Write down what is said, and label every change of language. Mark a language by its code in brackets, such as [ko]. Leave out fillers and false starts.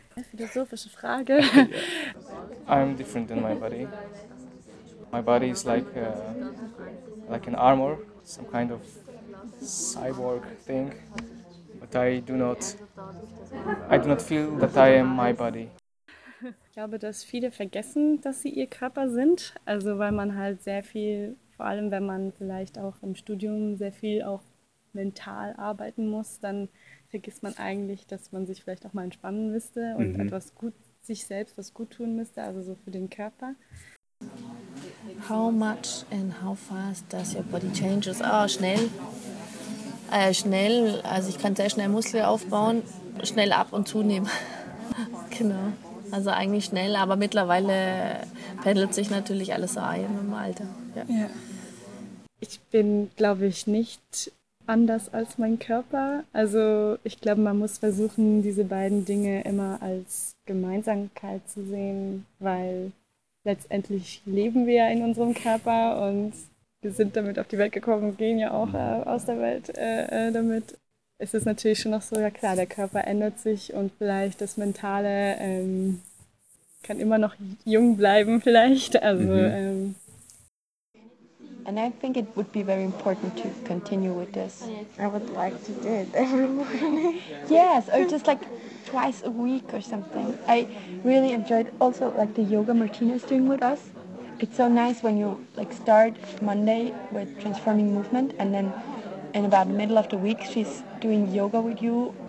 [de] Philosophische Frage. [en] I'm different than my body. My body is like an armor, some kind of cyborg thing. But I do not feel that I am my body. [de] Ich glaube, dass viele vergessen, dass sie ihr Körper sind. Also weil man halt sehr viel, vor allem wenn man vielleicht auch im Studium sehr viel auch mental arbeiten muss, dann vergisst man eigentlich, dass man sich vielleicht auch mal entspannen müsste und etwas gut sich selbst was gut tun müsste, also so für den Körper. [en] How much and how fast does your body changes? [de] Ah, schnell. Schnell, also ich kann sehr schnell Muskeln aufbauen, schnell ab und zunehmen. Genau, also eigentlich schnell, aber mittlerweile pendelt sich natürlich alles so ein im Alter. Ja. Ja. Ich bin, glaube ich, nicht anders als mein Körper. Also ich glaube, man muss versuchen, diese beiden Dinge immer als Gemeinsamkeit zu sehen, weil letztendlich leben wir ja in unserem Körper und wir sind damit auf die Welt gekommen, gehen ja auch aus der Welt damit. Es ist natürlich schon noch so, ja klar, der Körper ändert sich und vielleicht das Mentale kann immer noch jung bleiben vielleicht. Also, [en] And I think it would be very important to continue with this. I would like to do it every morning. Yes, or just like twice a week or something. I really enjoyed also like the yoga Martina is doing with us. It's so nice when you like start Monday with transforming movement and then in about the middle of the week she's doing yoga with you.